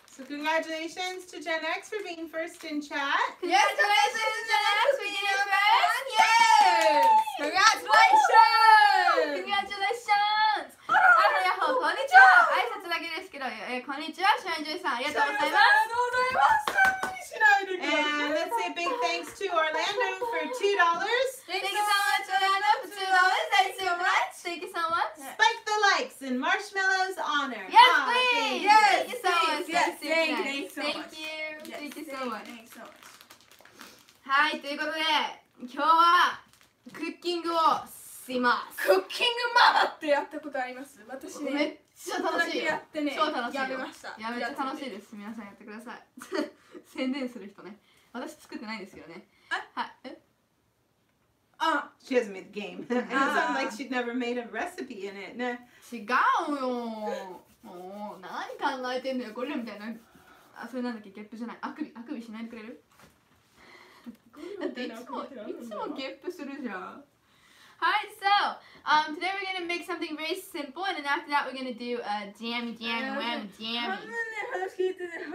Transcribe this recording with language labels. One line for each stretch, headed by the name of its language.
English: So congratulations to Gen X for being first in chat. Congratulations Gen X for being first. Congratulations! Congratulations!
Japanese: はい、はい、やほー、こんにちは。挨拶だけですけど、こんにちは、シュアンジュイさん、ありがとうございます。ありがとうございます。
English: And let's say a big thanks to Orlando for $2. Thank you so much, Orlando, for $2. Thank you so much. Thank you so much. Spike the likes in Marshmallow's honor. Yes, please. Thank you so much. Yes, thank you so much. Thank you. Thank you so much.
Japanese: はい、ということで、今日はクッキングをします。クッキングママってやったことあります？私ね。めっちゃ楽しい。やってね。超楽しい。やめました。やめちゃ楽しいです。皆さんやってください。宣伝する人ね。私作ってないですけどね。
English: はい。She hasn't made the game. It sounds like she'd never made a recipe in it.
Japanese: 違うよ。何考えてんのよ、ゴリラみたいな。あ、それなんだっけ、ゲップじゃない。あくび、あくびしないでくれる？だっていつもゲップするじゃん。
English: Hi, so today we're gonna make something very simple, and then after that we're gonna do a jammy, jammy, wham, jammy.